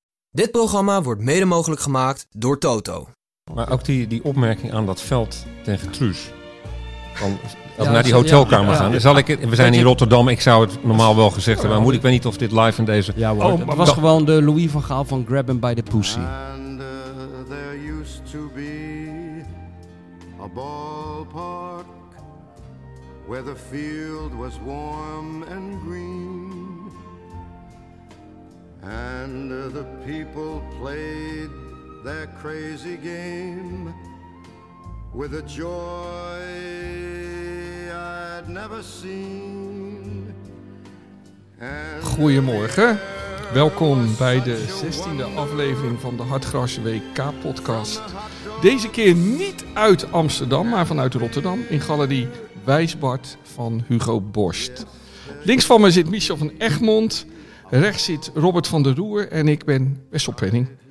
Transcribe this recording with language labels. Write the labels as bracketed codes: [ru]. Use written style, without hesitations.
[nl] Dit programma wordt mede mogelijk gemaakt door Toto. Maar ook die opmerking aan dat veld tegen Truus. Van, als we naar die hotelkamer gaan. We zijn in Rotterdam. Ik zou het normaal wel gezegd hebben. Maar ik weet niet of dit live in deze... Ja, maar het was gewoon de Louis van Gaal van [en] Grab Him by the Pussy. And there used to be a ballpark where the field was warm and green. And the people played their crazy game with a joy I'd never seen. [nl] Goedemorgen, welkom bij de 16e aflevering van de Hartgras WK-podcast. Deze keer niet uit Amsterdam, maar vanuit Rotterdam in Galerie Wijsbart van Hugo Borst. Links van me zit Michel van Egmond, rechts zit Robert van der Roer en ik ben Wessel Penning.